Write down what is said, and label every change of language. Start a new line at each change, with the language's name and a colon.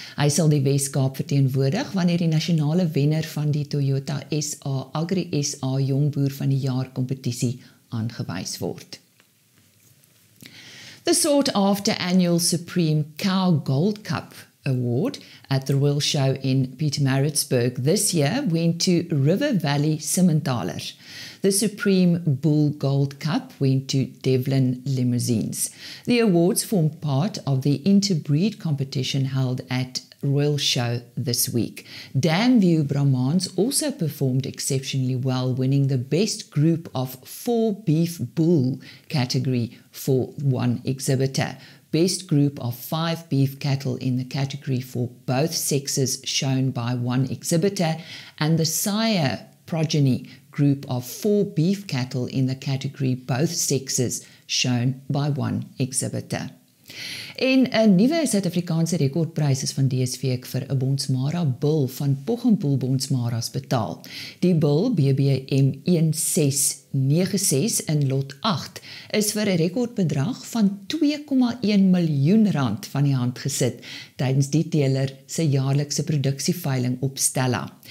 Afrikaans: Hy sal die Weskaap verteenwoordig wanneer die nasionale wenner van die Toyota SA Agri SA Jongboer van die jaar kompetisie aangewys word.
English: The sought-after annual Supreme Cow Gold Cup Award at the Royal Show in Pietermaritzburg this year went to River Valley Simmentalers. The Supreme Bull Gold Cup went to Devlin Limousines. The awards formed part of the interbreed competition held at Royal Show this week. Damview Brahmans also performed exceptionally well, winning the best group of four beef bull category for one exhibitor. Best group of five beef cattle in the category for both sexes shown by one exhibitor, and the sire progeny group of four beef cattle in the category both sexes shown by one exhibitor.
Afrikaans: En 'n nuwe Suid-Afrikaanse rekordprys is van DSV vir 'n Bonsmara bul van Poggenpoel Bonsmaras betaal. Die bul BBM 1696 in lot 8 is vir 'n rekordbedrag van 2,1 miljoen rand van die hand gesit tydens die teeler se jaarlikse produksieveiling op Stella.